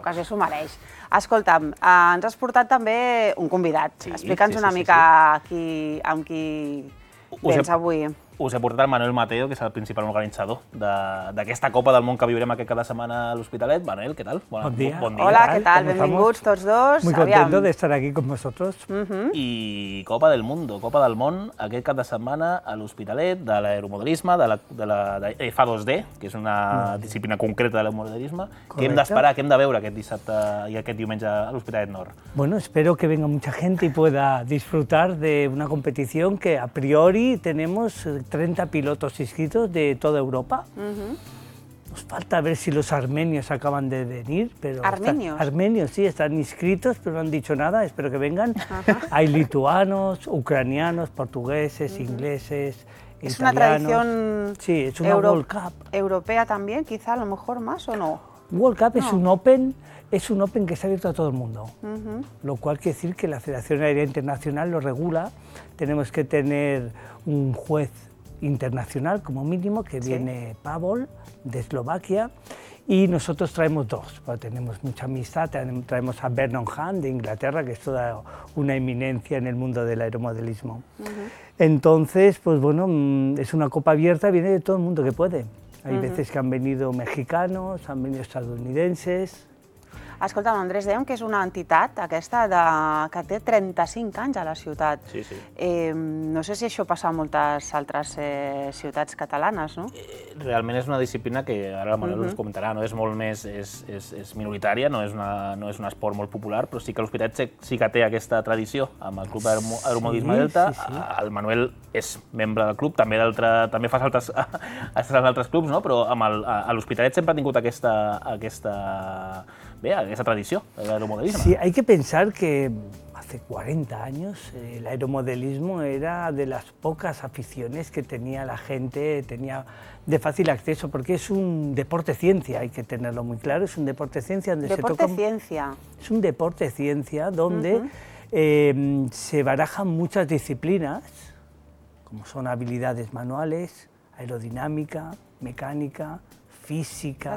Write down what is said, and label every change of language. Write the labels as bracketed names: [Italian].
[Catalan] L'ocasió s'ho mereix. Escolta'm, ens has portat també un convidat. Explica'ns una mica amb qui vens avui. Us he portat el Manuel Mateo, que és el principal organitzador d'aquesta Copa del Món que viurem aquest cada setmana a l'Hospitalet. Manuel, què tal? Bon dia. Bon dia. Hola, què tal? Benvinguts tots dos. [Spanish] Muy contento de estar aquí con vosotros. [Catalan] I Copa del Mundo, Copa del Món, aquest cap de setmana a l'Hospitalet, de l'aeromodelisme, de FA2D, que és una disciplina concreta de l'aeromodelisme. Què hem d'esperar, què hem de veure aquest dissabte i aquest diumenge a l'Hospitalet Nord? [Spanish] Bueno, espero que venga mucha gente y pueda disfrutar de una competición que a priori tenemos 30 pilotos inscritos de toda Europa. Nos falta ver si los armenios acaban de venir. Pero ¿armenios? Armenios, sí, están inscritos, pero no han dicho nada, espero que vengan. Ajá. Hay lituanos, ucranianos, portugueses, ingleses, ¿es ¿Es una tradición? Sí, es una World Cup. ¿Europea también, quizá, a lo mejor más o no? World Cup no. Es un Open que está abierto a todo el mundo, lo cual quiere decir que la Federación Aérea Internacional lo regula. Tenemos que tener un juez internacional, como mínimo, que viene Pavol, de Eslovaquia, y nosotros traemos dos. Bueno, tenemos mucha amistad, traemos a Vernon Hunt, de Inglaterra, que es toda una eminencia en el mundo del aeromodelismo. Entonces, pues bueno, es una copa abierta, viene de todo el mundo que puede. Hay veces que han venido mexicanos, han venido estadounidenses. [Catalan] Escolta, Andrés, dèiem que és una entitat aquesta que té 35 anys a la ciutat. Sí, sí. No sé si això passa a moltes altres ciutats catalanes, no? Realment és una disciplina que ara el Manuel us comentarà, no? És molt més, és minoritària, no és un esport molt popular, però sí que l'Hospitalet sí que té aquesta tradició amb el Club d'Aeromodelisme Delta. Sí, sí, sí. El Manuel és membre del club, també fas altres clubs, no? Però a l'Hospitalet sempre ha tingut aquesta tradició del aeromodelisme. [Spanish] Sí, hay que pensar que hace 40 años el aeromodelismo era de las pocas aficiones que tenía la gente, tenía de fácil acceso, porque es un deporte ciencia, hay que tenerlo muy claro, es un deporte ciencia donde deporte se toca ciencia. Es un deporte ciencia donde se barajan muchas disciplinas, como son habilidades manuales, aerodinámica, mecánica, física.